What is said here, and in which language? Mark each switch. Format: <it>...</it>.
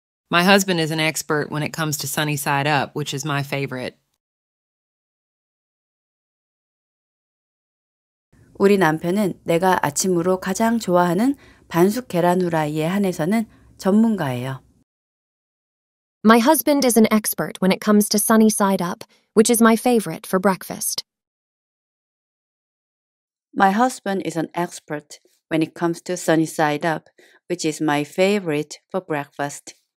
<en>My husband is an expert when it comes to sunny side up, which is my favorite.</en> <ko>우리 남편은 내가 아침으로 가장 좋아하는 반숙 계란 후라이에 한해서는 전문가예요.</ko> <en>My husband is an expert when it comes to sunny side up, which is my favorite for breakfast. My husband is an expert when it comes to sunny side up, which is my favorite for breakfast.</en>